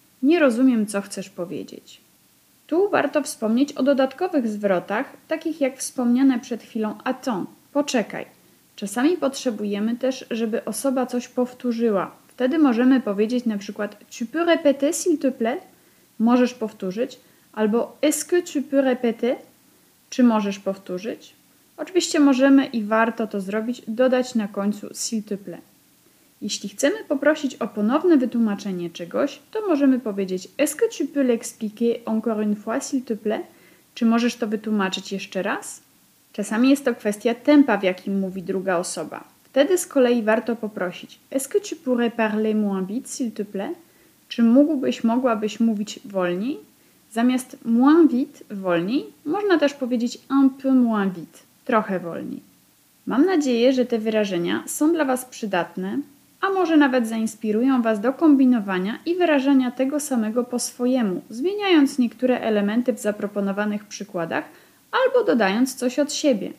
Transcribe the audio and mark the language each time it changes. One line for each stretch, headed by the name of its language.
Polish: Nie rozumiem, co chcesz powiedzieć. Tu warto wspomnieć o dodatkowych zwrotach, takich jak wspomniane przed chwilą
French: attends,
Polish: poczekaj. Czasami potrzebujemy też, żeby osoba coś powtórzyła. Wtedy możemy powiedzieć na przykład
French: tu peux répéter s'il te plaît?
Polish: Możesz powtórzyć. Albo
French: est-ce que tu peux répéter?
Polish: Czy możesz powtórzyć? Oczywiście możemy i warto to zrobić, dodać na końcu
French: s'il te plaît.
Polish: Jeśli chcemy poprosić o ponowne wytłumaczenie czegoś, to możemy powiedzieć
French: est-ce que tu peux l'expliquer encore une fois, s'il te plaît?
Polish: Czy możesz to wytłumaczyć jeszcze raz? Czasami jest to kwestia tempa, w jakim mówi druga osoba. Wtedy z kolei warto poprosić
French: est-ce que tu pourrais parler moins vite, s'il te plaît?
Polish: Czy mogłabyś mówić wolniej? Zamiast
French: moins vite,
Polish: wolniej, można też powiedzieć
French: un peu moins vite,
Polish: trochę wolniej. Mam nadzieję, że te wyrażenia są dla Was przydatne, a może nawet zainspirują Was do kombinowania i wyrażania tego samego po swojemu, zmieniając niektóre elementy w zaproponowanych przykładach albo dodając coś od siebie.